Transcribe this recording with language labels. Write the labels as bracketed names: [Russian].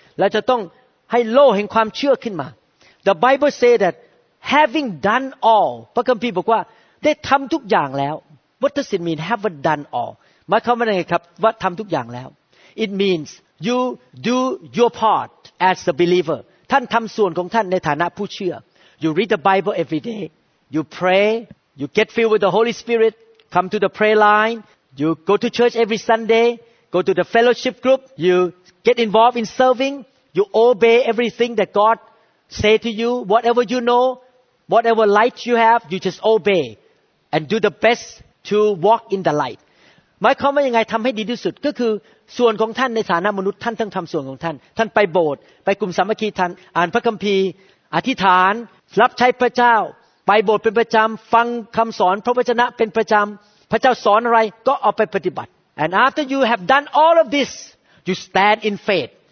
[Thai] เราจะต้องให้โล่แห่งความเชื่อขึ้นมา [English] The Bible says that having done all, [Thai] พระคัมภีร์บอกว่าได้ทำทุกอย่างแล้ว [English] What does it mean? Have done all? [Thai] หมายความว่าไงครับว่าทำทุกอย่างแล้ว [English] It means you do your part as a believer. [Thai] ท่านทำส่วนของท่านในฐานะผู้เชื่อ [English] You read the Bible every day. You pray. You get filled with the Holy Spirit. Come to the prayer line. You go to church every Sunday, go to the fellowship group, you get involved in serving, you obey everything that God say to you, whatever you know, whatever light you have, you just obey and do the best to walk in the light. [Thai] หมายความว่ายังไงทำให้ดีที่สุดก็คือส่วนของท่านในฐานะมนุษย์ท่านต้องทำส่วนของท่านท่านไปโบสถ์ไปกลุ่มสามัคคีท่านอ่านพระคัมภีร์อธิษฐานรับใช้พระเจ้าไปโบสถ์เป็นประจำฟังคำสอนพระวจนะเป็นประจำพระเจ้าสอนอะไรก็เอาไปปฏิบัติ [English] and after you have done all of this you stand in faith